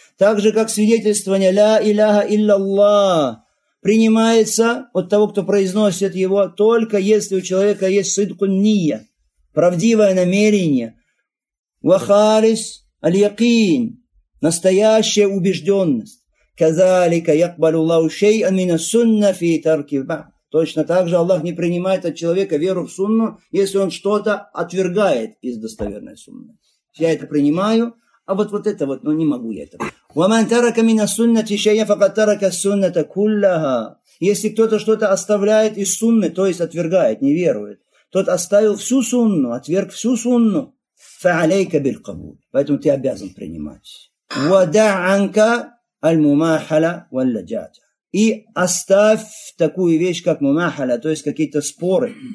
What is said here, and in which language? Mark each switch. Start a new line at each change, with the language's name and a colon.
Russian: Так же, как свидетельствование ла илляха илляллах принимается от того, кто произносит его, только если у человека есть сидку ния, правдивое намерение,
Arabic: وخالص اليقين
Russian: настоящая убежденность.
Arabic: كذلك يقبل الله شيئا من السنة في ترك بعض.
Russian: Точно так же Аллах не принимает от человека веру в сунну, если он что-то отвергает из достоверной сунны. Я это принимаю, а вот это вот, но не могу я это.
Arabic: ومن ترك من السنة شيئا فقد ترك السنة كلها.
Russian: Если кто-то что-то оставляет из сунны, то есть отвергает, не верует, тот оставил всю сунну, отверг всю сунну.
Arabic: فَعَلَيْكَ بِالْقَبُولِ.
Russian: Поэтому ты обязан принимать.
Arabic: وَدَعْ عَنْكَ الْمُمَاحَلَ وَالْلَجَاتَ.
Russian: И оставь такую вещь, как мумахала, то есть какие-то споры.